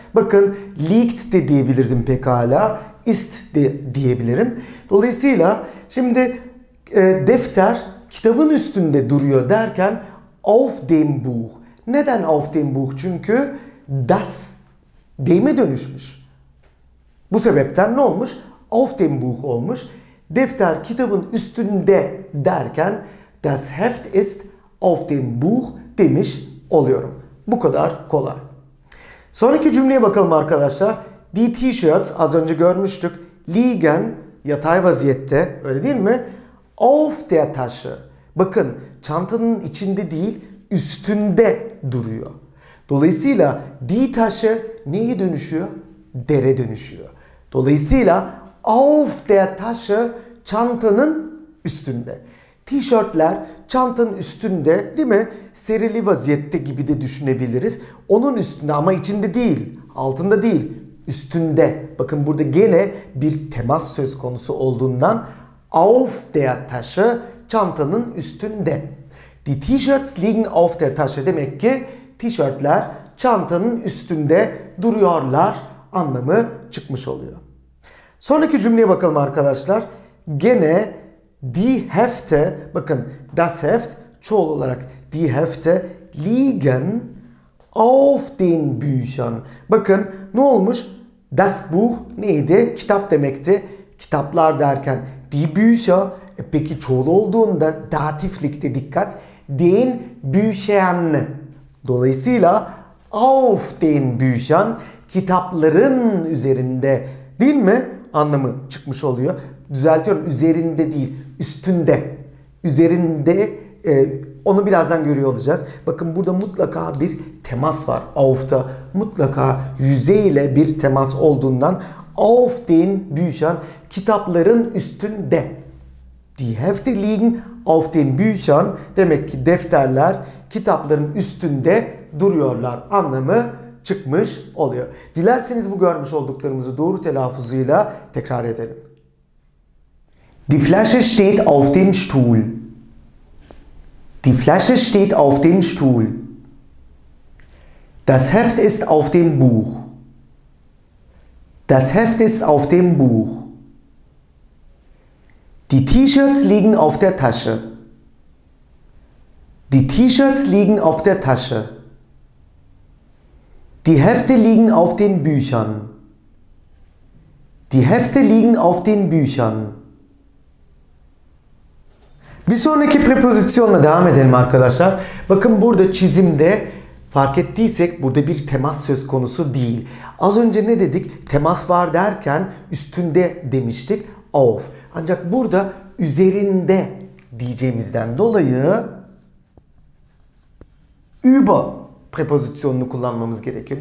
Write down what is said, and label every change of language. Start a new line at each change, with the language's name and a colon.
Turkish: Bakın liegt de diyebilirdim pekala. Ist de diyebilirim. Dolayısıyla şimdi defter kitabın üstünde duruyor derken
German: auf dem Buch.
Turkish: Neden
German: auf dem Buch?
Turkish: Çünkü das deme dönüşmüş. Bu sebepten ne olmuş?
German: Auf dem Buch
Turkish: olmuş. Defter kitabın üstünde derken
German: das Heft ist auf dem Buch
Turkish: demiş oluyorum. Bu kadar kolay. Sonraki cümleye bakalım arkadaşlar.
German: Die T-shirts
Turkish: az önce görmüştük. Liegen yatay vaziyette öyle değil mi?
German: Auf der Tasche.
Turkish: Bakın çantanın içinde değil üstünde duruyor. Dolayısıyla
German: die Tasche
Turkish: neye dönüşüyor? Dere dönüşüyor. Dolayısıyla
German: auf der Tasche
Turkish: çantanın üstünde. T-shirtler çantanın üstünde değil mi? Serili vaziyette gibi de düşünebiliriz. Onun üstünde ama içinde değil, altında değil, üstünde. Bakın burada gene bir temas söz konusu olduğundan
German: auf der Tasche
Turkish: çantanın üstünde.
German: Die T-shirts liegen auf der Tasche
Turkish: demek ki T-shirtler çantanın üstünde duruyorlar anlamı çıkmış oluyor. Sonraki cümleye bakalım arkadaşlar. Gene die Hefte, bakın
German: das Heft
Turkish: çoğul olarak
German: die Hefte liegen auf den Büchern.
Turkish: Bakın ne olmuş?
German: Das Buch
Turkish: neydi? Kitap demekti. Kitaplar derken
German: die Bücher,
Turkish: peki çoğul olduğunda datiflikte dikkat.
German: Den Büchern.
Turkish: Dolayısıyla
German: auf den Büchern
Turkish: kitapların üzerinde değil mi? Anlamı çıkmış oluyor. Düzeltiyorum. Üzerinde değil. Üstünde. Üzerinde onu birazdan görüyor olacağız. Bakın burada mutlaka bir temas var. Auf'ta mutlaka yüzeyle bir temas olduğundan
German: auf den Büchern
Turkish: kitapların üstünde.
German: Die Hefte liegen auf den Büchern
Turkish: demek ki defterler kitapların üstünde duruyorlar anlamı çıkmış oluyor. Dilerseniz bu görmüş olduklarımızı doğru telaffuzuyla tekrar edelim.
German: Die Flasche steht auf dem Stuhl. Die Flasche steht auf dem Stuhl. Das Heft ist auf dem Buch. Das Heft ist auf dem Buch. Die T-Shirts liegen auf der Tasche. Die T-Shirts liegen auf der Tasche. Die Hefte liegen auf den Büchern. Die Hefte liegen auf den Büchern.
Turkish: Bir sonraki prepozisyonla devam edelim arkadaşlar. Bakın burada çizimde fark ettiysek burada bir temas söz konusu değil. Az önce ne dedik? Temas var derken üstünde demiştik. Auf. Ancak burada üzerinde diyeceğimizden dolayı über prepozisyonunu kullanmamız gerekiyor.